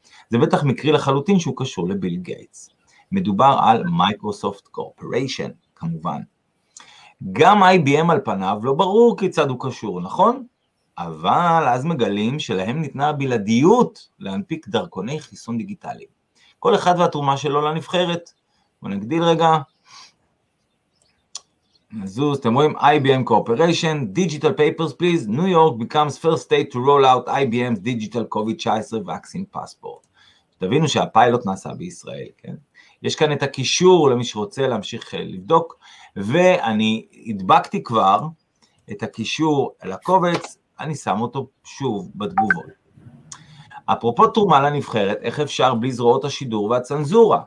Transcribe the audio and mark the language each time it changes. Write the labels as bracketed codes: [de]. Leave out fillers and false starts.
[he] זה בטח מקרי לחלוטין שהוא קשור לביל גייטס. מדובר על מייקרוסופט קורפוריישן, כמובן. גם IBM על פניו לא ברור כיצד הוא קשור, נכון? אבל אז מגלים שלהם ניתנה בלעדיות להנפיק דרכוני חיסון דיגיטליים. כל אחד והתרומה שלו לנבחרת. בוא נגדיל רגע. נזוז, אתם רואים, [en] IBM Corporation, Digital Papers Please, New York becomes first state to roll out IBM's Digital COVID-19 Vaccine Passport. [he] תבינו שהפיילוט נעשה בישראל, כן? יש כאן את הקישור למי שרוצה להמשיך לבדוק, ואני הדבקתי כבר את הקישור לקובץ, אני שם אותו שוב בתגובות. אפרופו תרומה לנבחרת, איך אפשר בלי זרועות השידור והצנזורה?